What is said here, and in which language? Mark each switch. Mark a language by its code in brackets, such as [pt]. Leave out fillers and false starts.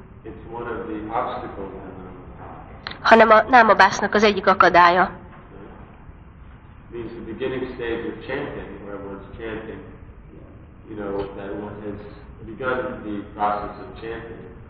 [en] It's one of the obstacles in Namo Parad. [hu] hanem a námabásznak az egyik akadálya. [en] Means the beginning stage of chanting, where one's chanting, you know, that one has begun the process of chanting.